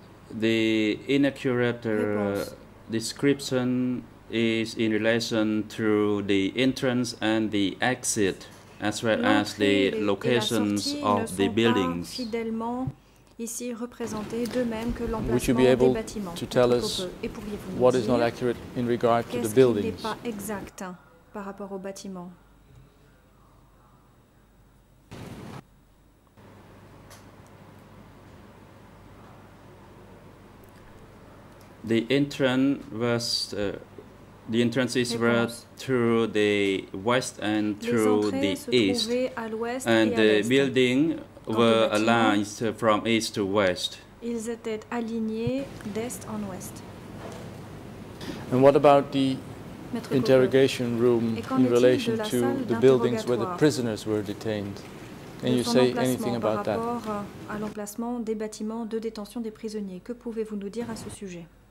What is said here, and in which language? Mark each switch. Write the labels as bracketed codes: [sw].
[en] The inaccurate description is in relation to the entrance and the exit, as well as the locations of the buildings. [fr] Ici représenté de même que l'emplacement des bâtiments. [en] Would you be able to tell us what is not accurate in regard to the buildings? [fr] Qu'est-ce qui n'est pas exact par rapport aux bâtiments? [en] The entrance was the entrance is right through the west and through the east, and the building were aligned from east to west. [fr] Ils étaient alignés d'est en ouest. [en] And what about the interrogation room in relation to the buildings where the prisoners were detained? Can you say anything about that? [fr] Par rapport à l'emplacement des bâtiments de détention des prisonniers, que pouvez-vous nous dire à ce sujet?